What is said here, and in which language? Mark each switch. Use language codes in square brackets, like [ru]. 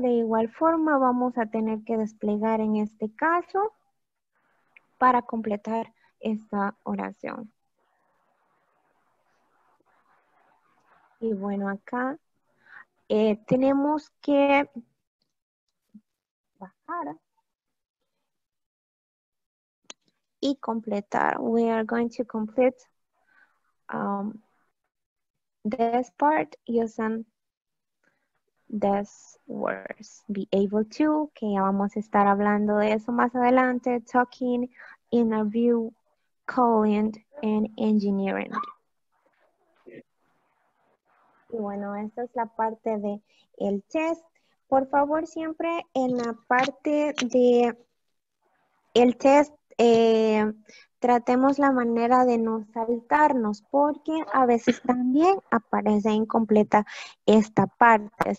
[es] De igual forma vamos a tener que desplegar en este caso para completar esta oración. Y bueno, acá tenemos que bajar y completar. [en] We are going to complete this part using these words. Be able to, [es] que ya vamos a estar hablando de eso más adelante. [en] Talking, interview, calling, and engineering. [es] Y bueno, esta es la parte de el test. Por favor, siempre en la parte de el test, tratemos la manera de no saltarnos, porque a veces también aparece incompleta esta parte.